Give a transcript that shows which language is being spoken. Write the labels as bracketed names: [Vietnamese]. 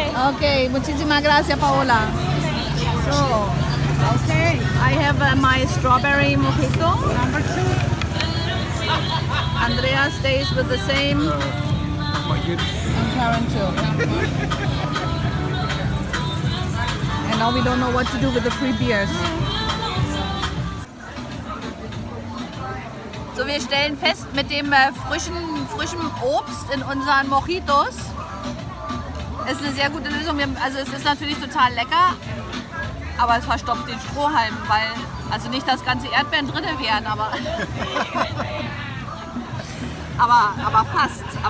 [Spanish] Okay, muchísimas gracias, Paola. [English] So, okay. I have my strawberry mojito. Number 2. Andrea stays with the same. And Karen too. Now we don't know what to do with the free beers. [German] So, wir stellen fest, mit dem frischen Obst in unseren Mojitos ist eine sehr gute Lösung. Also es ist natürlich total lecker, aber es verstopft den Strohhalm, weil also nicht das ganze Erdbeeren drin wären, aber aber fast.